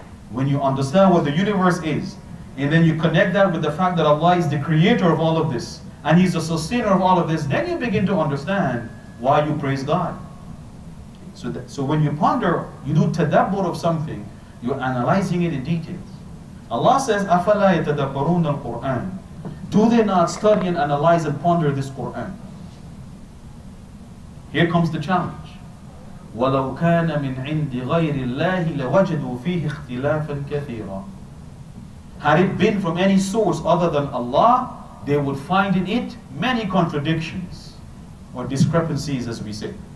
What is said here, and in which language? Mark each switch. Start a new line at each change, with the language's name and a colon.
English: When you understand what the universe is, and then you connect that with the fact that Allah is the creator of all of this, and He's the sustainer of all of this, then you begin to understand why you praise God. So when you ponder, you do tadabbur of something, you're analyzing it in details. Allah says,
Arabic: أَفَلَا يَتَدَبَّرُونَ الْقُرْآنَ.
English: Do they not study and analyze and ponder this Qur'an? Here comes the challenge.
Arabic: وَلَوْ كَانَ مِنْ عِنْدِ غَيْرِ اللَّهِ لَوَجَدُوا فِيهِ اخْتِلَافًا كَثِيرًا.
English: Had it been from any source other than Allah, they would find in it many contradictions or discrepancies, as we say.